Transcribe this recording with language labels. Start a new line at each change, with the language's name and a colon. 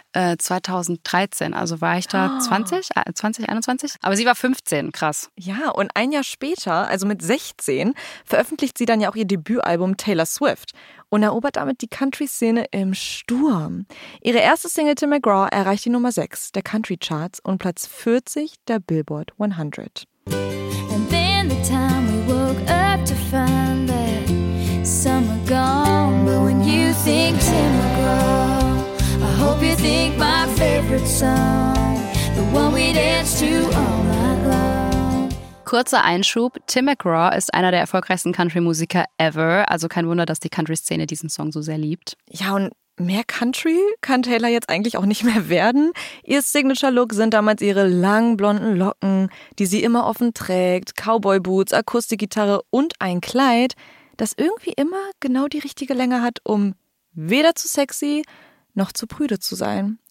German: 2013, also war ich da 21? Aber sie war 15, krass. Ja, und ein Jahr später, also mit 16, veröffentlicht sie dann ja auch ihr Debütalbum Taylor Swift und erobert damit die Country-Szene im Sturm. Ihre erste Single Tim McGraw erreicht die Nummer 6 der Country-Charts und Platz 40 der Billboard 100.
English: And then the time we woke up to find that summer gone. But when you think Tim McGraw, I hope you think my favorite song, the one we dance to all night long.
German: Kurzer Einschub, Tim McGraw ist einer der erfolgreichsten Country-Musiker ever. Also kein Wunder, dass die Country-Szene diesen Song so sehr liebt. Ja, und mehr Country kann Taylor jetzt eigentlich auch nicht mehr werden. Ihr Signature-Look sind damals ihre langen blonden Locken, die sie immer offen trägt, Cowboy-Boots, Akustikgitarre und ein Kleid, das irgendwie immer genau die richtige Länge hat, um weder zu sexy noch zu prüde zu sein.